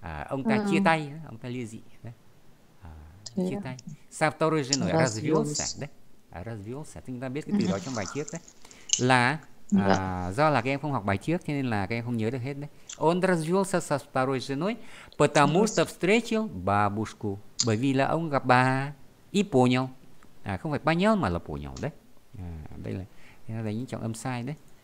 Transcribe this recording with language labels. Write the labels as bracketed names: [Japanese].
[Vietnamese] Ông ta chia tay, ông ta ly dị. Chia tay. [Russian] Со второй женой развелся, да? Развелся. [Vietnamese] Thì chúng ta biết cái từ đó trong bài trước đấy. Là do là các em không học bài trước, cho nên là các em không nhớ được hết đấy. [Russian] Он развелся со второй женой, потому что встретил бабушку. [Vietnamese] Bởi vì là ông gặp bà [Russian] и понял. [Vietnamese] Không phải понял mà là понял đấy. Đây là đánh trọng âm sai đấy.